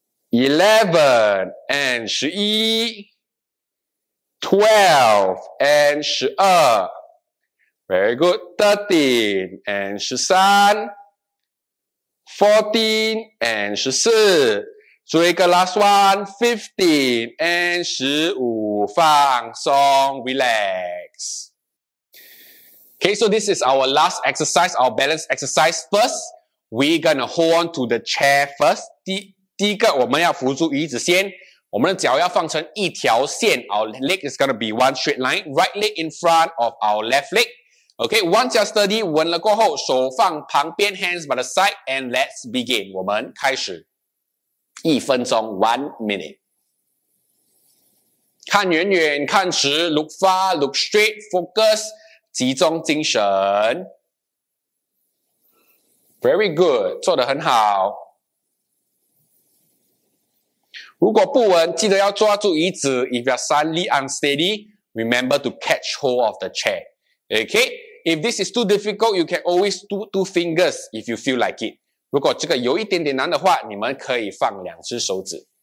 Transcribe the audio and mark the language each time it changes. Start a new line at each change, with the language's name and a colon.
English: eleven and 十一 twelve and 十二 very good, thirteen and 十三14 and 14,
Chinese: 最后一个
English: last one, 15 and 15,
Chinese: 放松
English: relax. Okay, so this is our last exercise, our balance exercise first. We're gonna hold on to the chair first.
Chinese: 第一个我们要扶住椅子先。我们的脚要放成一条线。
English: Our leg is gonna be one straight line, right leg in front of our left leg. Okay, once you're steady,
Chinese: 稳了过后，手放旁边
English: ，hands by the side, and let's begin.
Chinese: 我们开始，一分钟 ，
English: one minute.
Chinese: 看远远，看直
English: ，look far, look straight, focus,
Chinese: 集中精神。
English: Very good,
Chinese: 做得很好。如果不稳，记得要抓住椅子。
English: If you're suddenly unsteady, remember to catch hold of the chair. Okay. If this is too difficult, you can always do two fingers if you feel like it.
Chinese: 如果这个有一点点难的话，你们可以放两只手指。